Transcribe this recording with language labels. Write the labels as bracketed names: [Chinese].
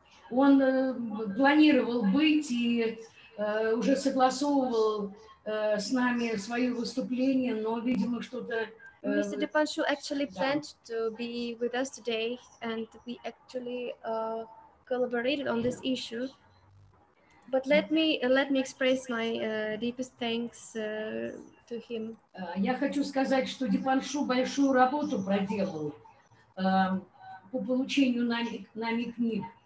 [Russian] Он планировал быть и уже согласовывал с нами свое выступление, но, видимо, что-то... [English] Mr. Dipanshu actually planned to be with us today, and we actually collaborated on this issue. But let me express my deepest thanks to him. [Russian] Я хочу сказать, что Дипаншу большую работу проделал по получению нами книг.